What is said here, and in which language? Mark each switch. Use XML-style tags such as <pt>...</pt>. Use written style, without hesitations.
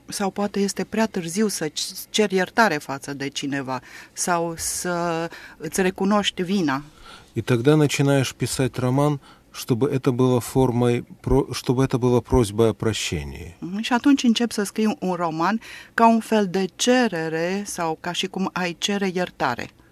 <ro>Sau poate este prea târziu să ceri iertare față de cineva sau să îți recunoști vina.</ro> <ru>И тогда начинаешь писать роман, чтобы это было формой, чтобы это была просьба о прощении.</ru> <ro>Și atunci începi să scrii un roman ca un fel de cerere sau ca și cum ai cere iertare.</ro>